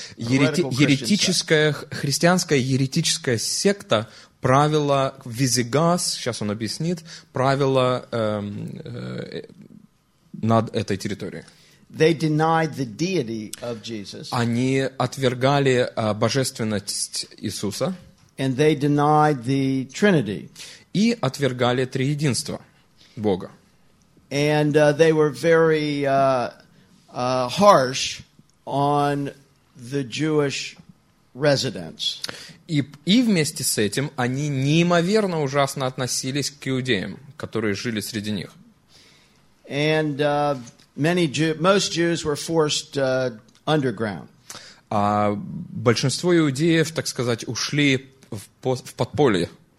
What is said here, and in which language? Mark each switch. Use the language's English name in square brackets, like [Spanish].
[Russian] Еретическая, христианская еретическая секта правила Визигас, сейчас он объяснит, правила над этой территорией. [English] They denied the deity of Jesus. [Russian] Они отвергали божественность Иисуса. [English] And they denied the Trinity. [Russian] И отвергали триединство Бога. [English] And they were very harsh on the Jewish residents. [Russian] И вместе с этим они неимоверно ужасно относились к иудеям, которые жили среди них. [English] And most Jews were forced underground. [Russian] Большинство иудеев, так сказать, ушли в подполье.